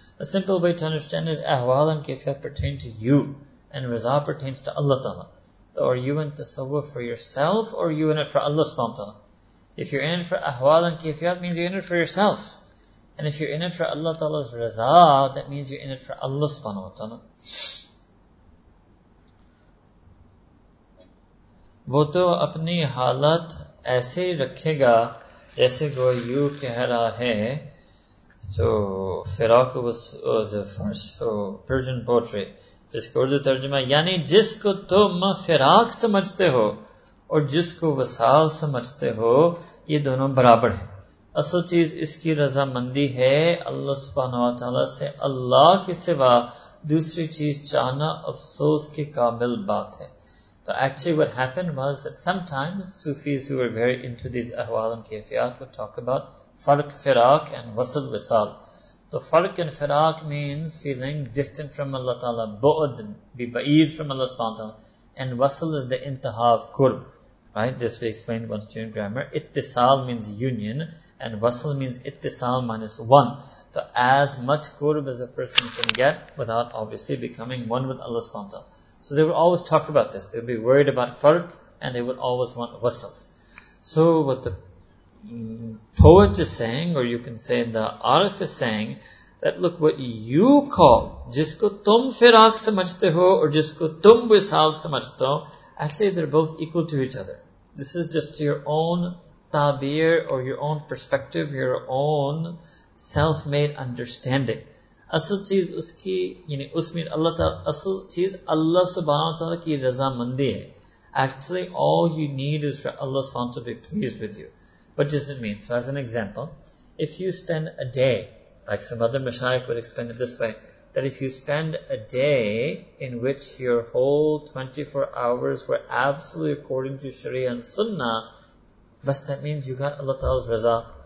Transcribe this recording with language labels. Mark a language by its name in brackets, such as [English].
[English] A simple way to understand is ahwal and kifiyat pertain to you, and raza pertains to Allah ta'ala. So are you in tasawwuf for yourself, or are you in it for Allah subhanahu wa ta'ala? If you're in it for ahwal and kifiyat, means you're in it for yourself. And if you're in it for Allah ta'ala's raza, that means you're in it for Allah subhanahu wa ta'ala. [Urdu] وہ تو اپنی حالت ایسے رکھے گا جیسے go you کہہ رہا ہے. [English] So Firaq was the first, so Persian poetry, [Urdu] جس کو اردو ترجمہ, یعنی جس کو تم فراق سمجھتے ہو اور جس کو وصال سمجھتے ہو, یہ دونوں برابر ہیں. اصل چیز اس کی رضا مندی ہے اللہ سبحانہ وتعالی سے, اللہ کے سوا دوسری چیز چاہنا افسوس کے قابل بات ہے. [English] So actually what happened was that sometimes Sufis who were very into these ahwal and kifiyat would talk about farq firaq and wasl wisal. So farq and firaq means feeling distant from Allah ta'ala, bu'd, be ba'id from Allah subhanahu wa ta'ala. And wasl is the intaha of qurb, right? This we explained once during grammar. Ittisal means union, and wasl means ittisal minus one. So as much qurb as a person can get without obviously becoming one with Allah subhanahu wa ta'ala. So they would always talk about this. They would be worried about farq, and they would always want wasl. So what the poet is saying, or you can say the arif is saying, that look, what you call, [Urdu] jisko tum firaq samajhte ho, [English] or [Urdu] jisko tum wisal samajhte ho, [English] actually they're both equal to each other. This is just your own tabir, or your own perspective, your own self-made understanding. [Urdu] اصل چیز اس کی, یعنی اس میں اللہ تعالیٰ, اصل چیز اللہ سبحانہ وتعالیٰ کی رضا مندی ہے. [English] Actually, all you need is for Allah سبحانہ وتعالیٰ to be pleased with you. What does it mean? So as an example, if you spend a day, like some other mashayikh would explain it this way, that if you spend a day in which your whole 24 hours were absolutely according to Sharia and Sunnah, بس that means you got Allah تعالیٰ's رضا.